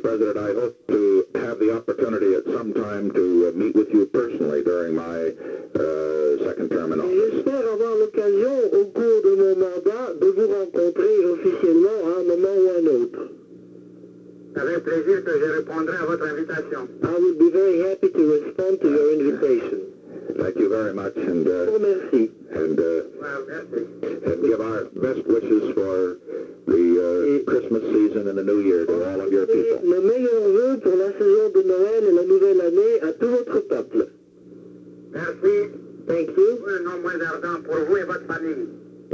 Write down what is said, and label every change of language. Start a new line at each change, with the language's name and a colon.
English: President, I hope to have the opportunity at some time to meet with you personally during my second term in office.
French: J'espère avoir l'occasion au cours de mon mandat de vous rencontrer officiellement à un moment ou un autre. Avec plaisir que je répondrai à votre invitation.
English: I would be very happy to respond to your invitation. Thank you very much. And,
French: merci.
English: And,
French: merci.
English: And give our best wishes for the Christmas season and the New Year to all of your people.
French: Le meilleur vœu pour la saison de Noël et la nouvelle année à tout votre peuple. Merci.
English: Thank you.
French: Un nombre d'argent pour vous et votre famille.